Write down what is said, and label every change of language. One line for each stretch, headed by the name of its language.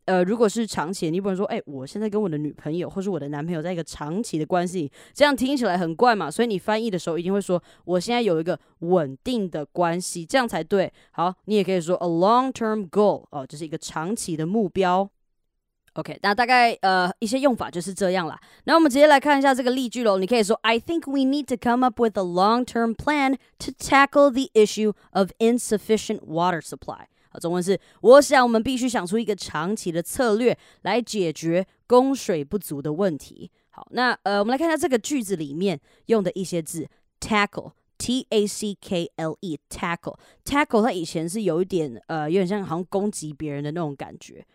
Chinese: 如果是长期，你不能说，哎、欸，我现在跟我的女朋友或是我的男朋友在一个长期的关系，这样听起来很怪嘛。所以你翻译的时候一定会说，我现在有一个稳定的关系，这样才对。好，你也可以说
English: a long-term goal，
Chinese: 哦，就是一个长期的目标。 OK， 那大概一些用法就是这样啦。那我们直接来看一下这个例句喽。你可以说
English: ，I think we need to come up with a long-term plan to tackle the issue of insufficient water supply。
Chinese: 中文是我想我们必须想出一个长期的策略来解决供水不足的问题。好，那我们来看一下这个句子里面用的一些字 tackle,T-A-C-K-L-E, tackle。 tackle 它以前是有一点有点像好像攻击别人的那种感觉。